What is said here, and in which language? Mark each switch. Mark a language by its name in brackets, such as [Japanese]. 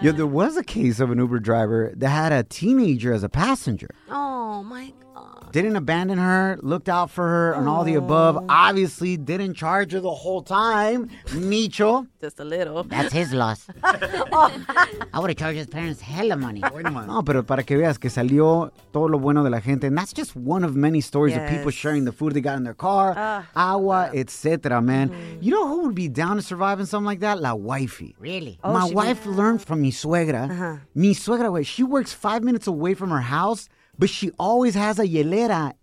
[English] Yeah, there was a case of an Uber driver that had a teenager as a passenger. Oh, my God. Didn't abandon her, looked out for her, and all the above. Obviously, didn't charge her the whole time. Micho. Just a little. That's his loss. I would have charged his parents hella money. [Spanish] No, pero para que veas que salió todo lo bueno de la gente. [English] And that's just one of many stories of people sharing the food they got in their car, agua, etc., man. You know who would be down to survive in something like that? La wifey. Really? My wife learned from [Spanish] mi suegra. Mi suegra, [English] she works 5 minutes away from her house, but she always has a hielera